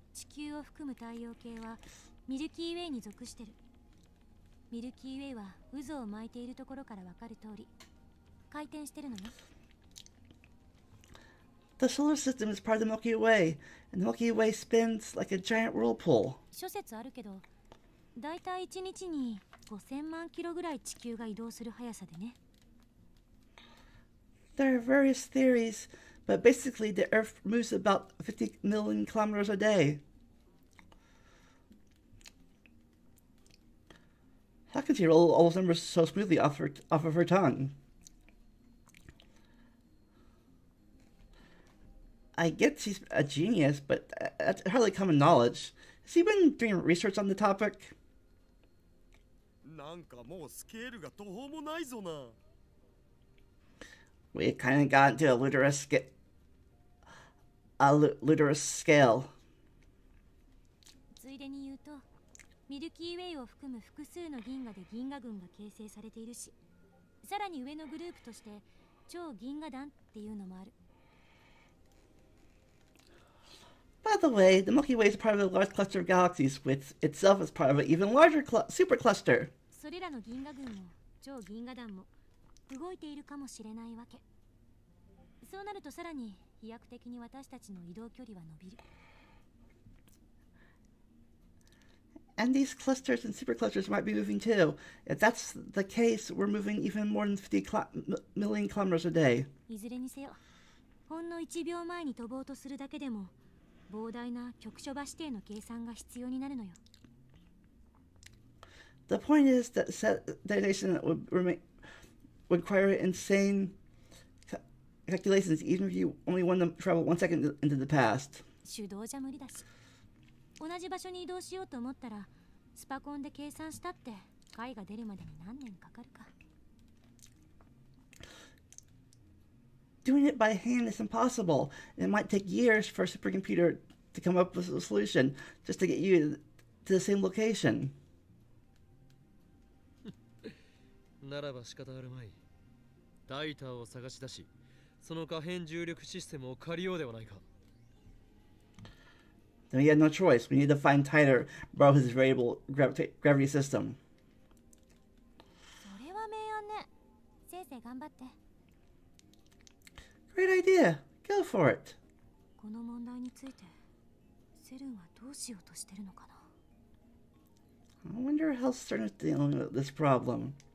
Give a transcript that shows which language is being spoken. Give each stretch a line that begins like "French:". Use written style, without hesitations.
Japanese: 地球を含む太陽系はミルキーウェイに属してる。ミルキーウェイは渦を巻いているところから分かる通り、回転してるのね。
English: The solar system is part of the Milky Way, and the Milky Way spins like a giant whirlpool.
Japanese: 諸説あるけど、だいたい1日に5000万キロぐらい地球が移動する速さでね。
English: There are various theories, but basically the Earth moves about 50 million kilometers a day. How can she roll all those numbers so smoothly off of her tongue? I get she's a genius, but that's hardly common knowledge. Has she been doing research on the topic?
Japanese: なんかもうスケールが途方もないぞな。
English: We kind of got into a ludicrous scale.
Japanese: ついでに言うと、ミルキーウェイを含む複数の銀河で銀河群が形成されているし、さらに上のグループとして超銀河団っていうのもある。
English: By the way, the Milky Way is part of a large cluster of galaxies, which itself is part of an even larger supercluster.
Japanese: それらの銀河群も超銀河団も動いているかもしれないわけ。そうなるとさらに飛躍的に私たちの移動距離は伸びる。
English: And these clusters and superclusters might be moving too. If that's the case, we're moving even more than 50 million kilometers a day.
Japanese: いずれにせよ、ほんの1秒前に飛ぼうとするだけでも、膨大な局所場指定の計算が必要になるのよ。
English: The point is that set detonation would require insane calculations even if you only wanted to travel 1 second into the past.
Japanese: 手動じゃ無理だし。同じ場所に移動しようと思ったら、スパコンで計算したって、解が出るまでに何年かかるか。
English: Doing it by hand is impossible. It might take years for a supercomputer to come up with a solution just to get you to the same location.
Japanese: ならば仕方あるまい。ダイターを探し出し、その可変重力システムを借りようではないか。
English: Then we had no choice. We need to find Titer, borrow his variable gravity system.
Japanese: それは名案ね。せいぜい頑張って。
English: Great idea. Go for it.
Japanese: この問題について、セルンはどうしようとしてるのかな。
English: I wonder how Stern is dealing with this problem.